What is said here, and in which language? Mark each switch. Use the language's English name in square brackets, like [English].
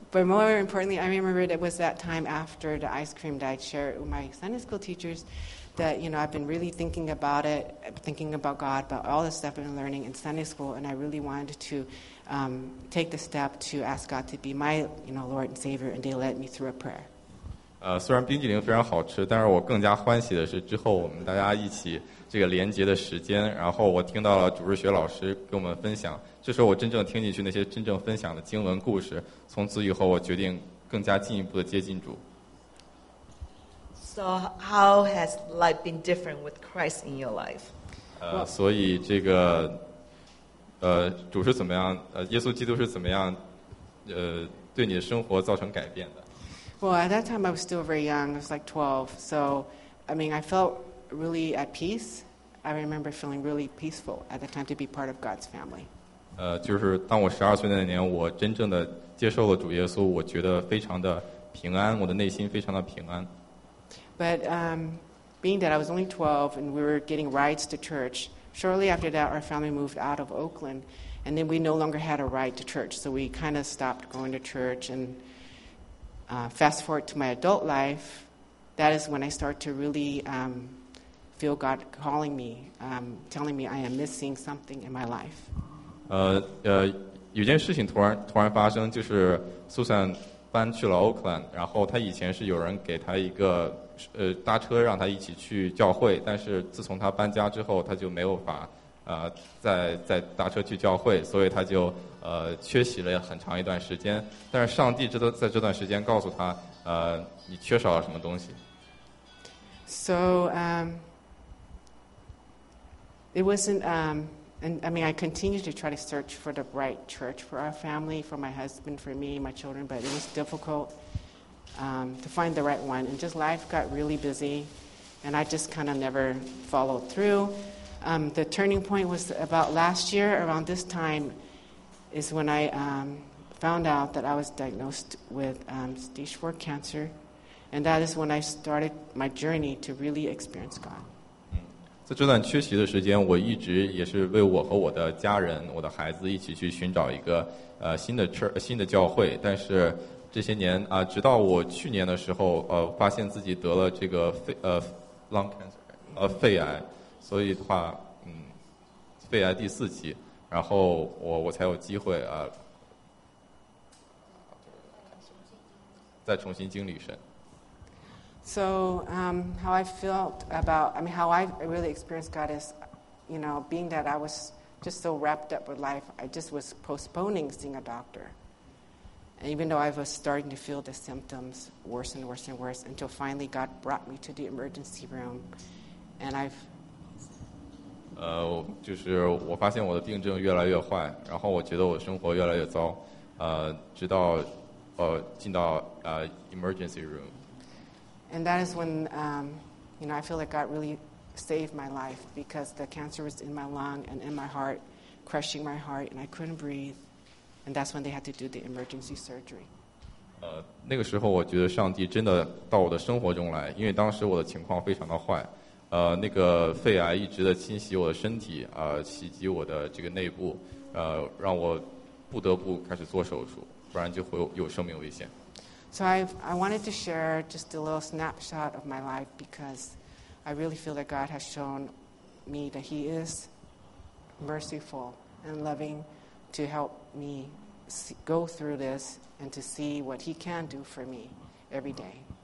[English] But more importantly I remembered it was that time after the ice cream that I shared with my Sunday school teachers that you know I've been really thinking about it thinking about God about all the stuff I've been learning in Sunday school and I really wanted toTake the step to ask God to be my, you know, Lord and Savior, and they led me through a prayer. [Chinese] 虽然冰激凌非常好吃，但是我更加欢喜的是之后我们大家一起这个连结的时间，然后我听到了主日学老师跟我们分享，这时候我真正听进去那些真正分享的经文故事，从此以后我决定更加进一步的接近主。 [English] So how has life been different with Christ in your life? [Chinese] 所以这个。主是怎么样？耶稣基督是怎么样？对你的生活造成改变的 [English] Well, at that time I was still very young. I was like 12. So, I mean, I felt really at peace. I remember feeling really peaceful at the time to be part of God's family. [Chinese] 就是当我十二岁那年，我真正的接受了主耶稣，我觉得非常的平安，我的内心非常的平安。 [English] But being that I was only 12 and we were getting rides to church, shortly after that our family moved out of Oakland, and then we no longer had a ride to church, so we kind of stopped going to church. And fast forward to my adult life, that is when I start to really feel God calling me, telling me I am missing something in my life. [Chinese] 有件事情突然发生，就是 Susan 搬去了 Oakland， 然后她以前是有人给她一个搭车让她一起去教会，但是自从她搬家之后，她就没有法再搭车去教会，所以她就缺席了很长一段时间。但是上帝在这段时间告诉她，你缺少了什么东西。 [English] So, it wasn't. And I mean, I continued to try to search for the right church for our family, for my husband, for me, my children, but it was difficult to find the right one. And just life got really busy, and I just kind of never followed through. The turning point was about last year, around this time, is when I found out that I was diagnosed with stage 4 cancer, and that is when I started my journey to really experience God. [Chinese] 在这段缺席的时间，我一直也是为我和我的家人、我的孩子一起去寻找一个新的教会。但是这些年啊，直到我去年的时候，发现自己得了这个lung cancer， 肺癌，所以的话，肺癌第四期，然后我才有机会再重新经历神。 [English] So, how I felt about, I mean, how I really experienced God is, you know, being that I was just so wrapped up with life, I just was postponing seeing a doctor. And even though I was starting to feel the symptoms worse and worse and worse, until finally God brought me to the emergency room, and I've... [Chinese] 就是我发现我的病症越来越坏，然后我觉得我生活越来越糟，直到进到emergency room. [English] And that is when, you know, I feel like God really saved my life because the cancer was in my lung and in my heart, crushing my heart, and I couldn't breathe. And that's when they had to do the emergency surgery. [Chinese] 那个时候我觉得上帝真的到我的生活中来，因为当时我的情况非常的坏。那个肺癌一直的侵袭我的身体，袭击我的这个内部，让我不得不开始做手术，不然就会有生命危险。 [English] So I wanted to share just a little snapshot of my life because I really feel that God has shown me that He is merciful and loving to help me go through this and to see what He can do for me every day.